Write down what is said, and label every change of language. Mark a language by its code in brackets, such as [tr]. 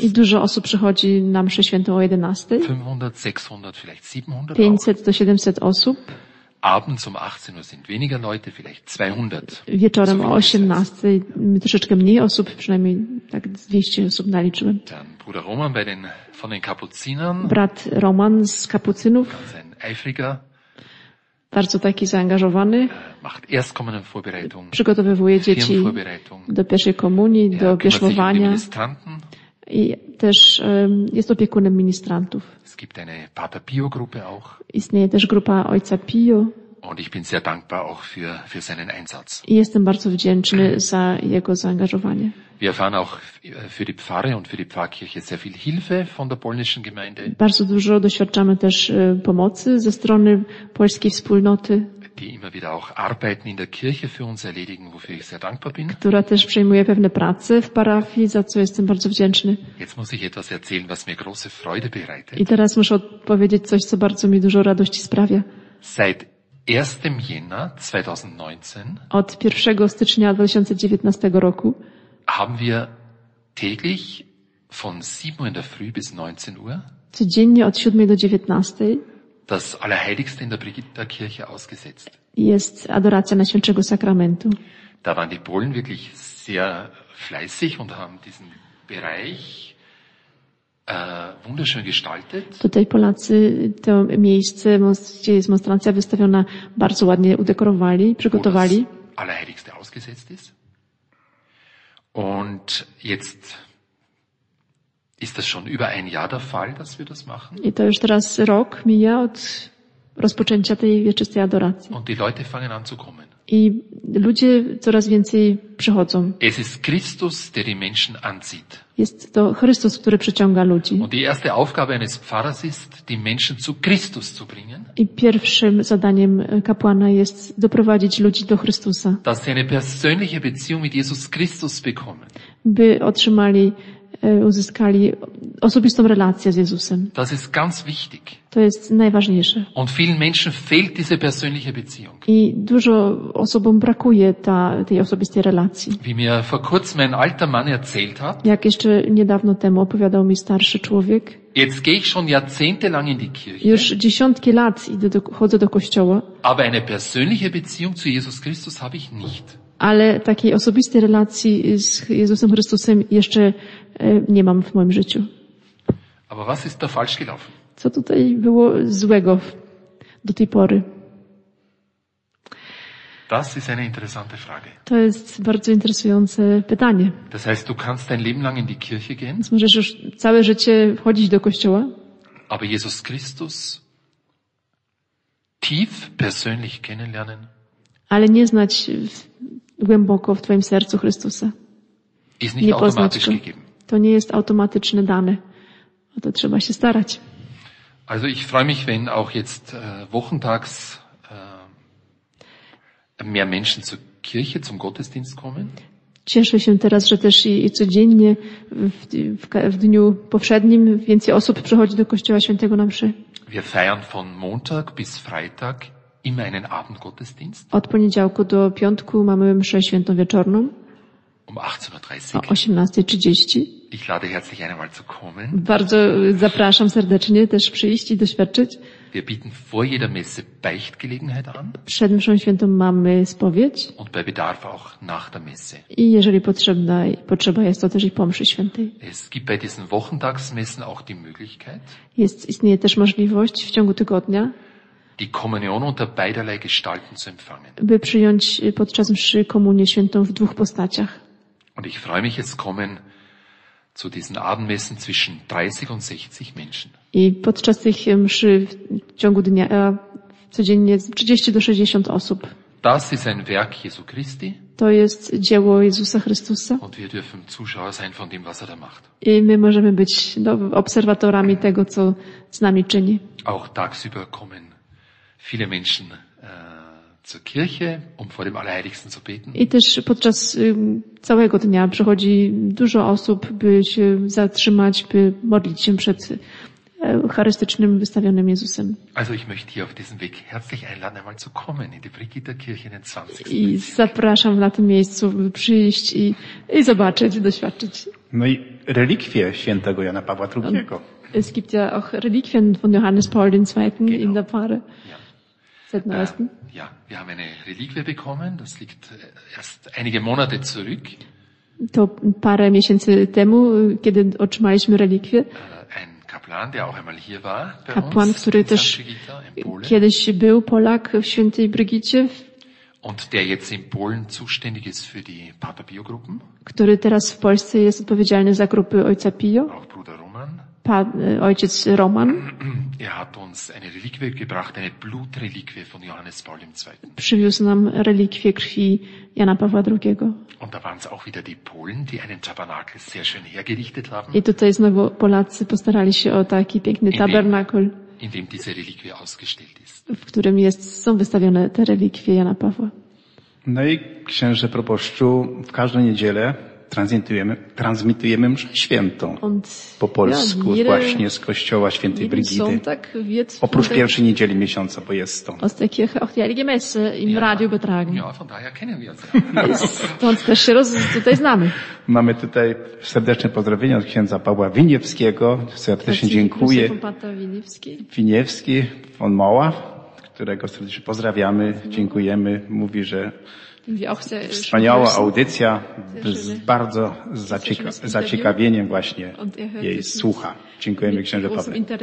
[pl] I dużo osób przychodzi na mszę świętą o 11. [de] 500, 600, vielleicht 700. [pl] 500 do 700 osób. [de] Abends um 18 Uhr sind weniger Leute, vielleicht 200. [pl] Wieczorem o 18 troszeczkę mniej osób, przynajmniej tak 200 osób naliczyłem. [de] Dann Bruder Roman bei den, von den Kapuzinern. [pl] Brat Roman z Kapucynów. [de] Ganz ein eifriger. [pl] Bardzo taki zaangażowany. [de] Macht erstkommenen Vorbereitung. [pl] Przygotowuje dzieci do pierwszej komunii, do bierzmowania. I też jest opiekunem ministrantów. [de] Es gibt eine Pater Pio Gruppe auch. [pl] Istnieje też grupa Ojca Pio. [de] Und ich bin sehr dankbar auch für seinen Einsatz. [pl] I jestem bardzo wdzięczny za jego zaangażowanie. [de] Wir erfahren auch für die Pfarre und für die Pfarrkirche sehr viel Hilfe von der polnischen Gemeinde. [pl] Bardzo dużo doświadczamy też pomocy ze strony polskiej wspólnoty. [de] Die immer wieder auch Arbeiten in der Kirche für uns erledigen, wofür ich sehr dankbar bin. [pl] Która też przejmuje pewne prace w parafii, za co jestem bardzo wdzięczny. [de] Jetzt muss ich etwas erzählen, was mir große Freude bereitet. [pl] I teraz muszę powiedzieć coś, co bardzo mi dużo radości sprawia. [de] Seit 1. Jänner 2019. [pl] Od 1 stycznia 2019 roku. [de] Haben wir täglich von 7 Uhr in der Früh bis 19 Uhr [pl] codziennie od 7 do 19 [de] das Allerheiligste in der Brigittakirche ausgesetzt. [pl] Jest adoracja Najświętszego Sakramentu. [de] Da waren die Polen wirklich sehr fleißig und haben diesen Bereich wunderschön gestaltet. [pl] Tutaj Polacy to miejsce, gdzie jest monstrancja wystawiona, bardzo ładnie udekorowali, przygotowali. [de] Wo das Allerheiligste ausgesetzt ist. Und jetzt ist das schon über ein Jahr der Fall, dass wir das machen. [pl] I to już teraz rok mija od rozpoczęcia tej wieczystej adoracji. [de] Und die Leute fangen an zu kommen. [pl] I ludzie coraz więcej przychodzą. [de] Es ist Christus, der die Menschen anzieht. [pl] Jest to Chrystus, który przyciąga ludzi. [de] Und die erste Aufgabe eines Pfarrers ist, die Menschen zu Christus zu bringen. [pl] I pierwszym zadaniem kapłana jest doprowadzić ludzi do Chrystusa. [de] Dass sie eine persönliche Beziehung mit Jesus Christus bekommen. [pl] By otrzymali uzyskali osobistą relację z Jezusem. [de] Das ist ganz wichtig. [pl] To jest najważniejsze. [de] Und vielen Menschen fehlt diese persönliche Beziehung. [pl] I dużo osobom brakuje tej osobistej relacji. [de] Wie mir vor kurzem ein alter Mann erzählt hat. [pl] Jak jeszcze niedawno temu opowiadał mi starszy człowiek. [de] Jetzt gehe ich schon jahrzehntelang in die Kirche. [pl] Już dziesiątki lat chodzę do kościoła. [de] Aber eine persönliche Beziehung zu Jesus Christus habe ich nicht. [pl] Ale takiej osobistej relacji z Jezusem Chrystusem jeszcze nie mam w moim życiu. [de] Aber was ist da falsch gelaufen? [pl] Co tutaj było złego do tej pory? [de] Das ist eine interessante Frage. [pl] To jest bardzo interesujące pytanie. [de] Das heißt, du kannst dein Leben lang in die Kirche gehen? [pl] Możesz już całe życie chodzić do kościoła? [de] Aber Jesus Christus tief persönlich kennenlernen? [pl] Ale nie znać głęboko w twoim sercu Chrystusa. [de] Ist nicht automatisch gegeben. [pl] To nie jest automatyczne dane. O to trzeba się starać. [de] Also ich freue mich, wenn auch jetzt wochentags mehr Menschen zur Kirche, zum Gottesdienst kommen. [pl] Cieszę się teraz, że też i codziennie w dniu powszednim więcej osób przychodzi do Kościoła Świętego na mszy. [de] Wir feiern von Montag bis Freitag immer einen Abendgottesdienst. [pl] Od poniedziałku do piątku mamy mszę świętą wieczorną. [de] Um 18:30. [pl] O 18:30. [de] Ich lade herzlich ein, einmal zu kommen. [pl] Bardzo zapraszam serdecznie też przyjść i doświadczyć. [de] Wir bieten vor jeder Messe Beichtgelegenheit an. [pl] Przed mszą świętą mamy spowiedź. [de] Und bei Bedarf auch nach der Messe. [pl] I jeżeli potrzeba jest, to też i po mszy świętej. [de] Es gibt bei diesen Wochentagsmessen auch die Möglichkeit. [pl] Istnieje też możliwość w ciągu tygodnia. [de] Die Kommunion unter beiderlei Gestalten zu empfangen. [pl] By przyjąć podczas mszy Komunię Świętą w dwóch postaciach. [de] Und ich freue mich, es kommen zu diesen Abendmessen zwischen 30 und 60 Menschen. [pl] I podczas tych mszy w ciągu dnia codziennie 30 do 60 osób. [de] Das ist ein Werk Jesu Christi. [pl] To jest dzieło Jezusa Chrystusa. [de] Und wir dürfen Zuschauer sein von dem, was er da macht. [pl] I my możemy być obserwatorami tego, co z nami czyni. [de] Auch tagsüber kommen viele Menschen zur Kirche, um vor dem Allerheiligsten zu beten. [pl] I też podczas całego dnia przychodzi dużo osób, by się zatrzymać, by modlić się przed eucharystycznym wystawionym Jezusem. [de] Also ich möchte hier auf diesem Weg herzlich einladen, einmal zu kommen in die Brigitta-Kirche in den 20. [pl] I zapraszam na tym miejscu, by przyjść i zobaczyć, doświadczyć. No i relikwie świętego Jana Pawła II. [de] Es gibt ja auch Reliquien von Johannes Paul II. Genau. In der Pfarre. Ja. Seit neuestem. Ja, wir haben eine Reliquie bekommen. Das liegt erst einige Monate zurück. [pl] To parę miesięcy temu, kiedy otrzymaliśmy relikwie. [de] Ein Kaplan, der auch einmal hier war bei [pl] Kaplan, [de] uns, [pl] który też kiedyś był Polak w świętej Brigicie. [de] Und der jetzt in Polen zuständig ist für die Papa-Pio-Gruppen. [pl] Który teraz w Polsce jest odpowiedzialny za grupy Ojca Pio. [de] Auch Bruder Roman. [pl] Ojciec Roman. [de] Er hat uns eine Reliquie gebracht, eine Blutreliquie von Johannes Paul II. [pl] Przywiózł nam relikwie krwi Jana Pawła II. [de] Und da waren es auch wieder die Polen, die einen Tabernakel sehr schön hergerichtet haben. [pl] I tutaj znowu Polacy postarali się o taki piękny Tabernakel, [de] in dem diese Reliquie ausgestellt ist. [pl] W którym są wystawione te relikwie Jana Pawła. No i księże proboszczu, w każdą niedzielę transmitujemy mszę świętą po polsku właśnie z kościoła świętej Brigity. Oprócz pierwszej niedzieli miesiąca, bo jest to. [de] Aus der Kirche auch die heilige Messe im Radio übertragen. Ja, von daher kennen wir uns. [pl] Stąd też się tutaj znamy. Mamy tutaj serdeczne pozdrowienia od księdza Pawła Winiewskiego. Serdecznie dziękuję. Winiewski von Mała, którego serdecznie pozdrawiamy, dziękujemy. Mówi, że wspaniała audycja, z bardzo zaciekawieniem właśnie jej słucha. Dziękujemy księdze Pawle.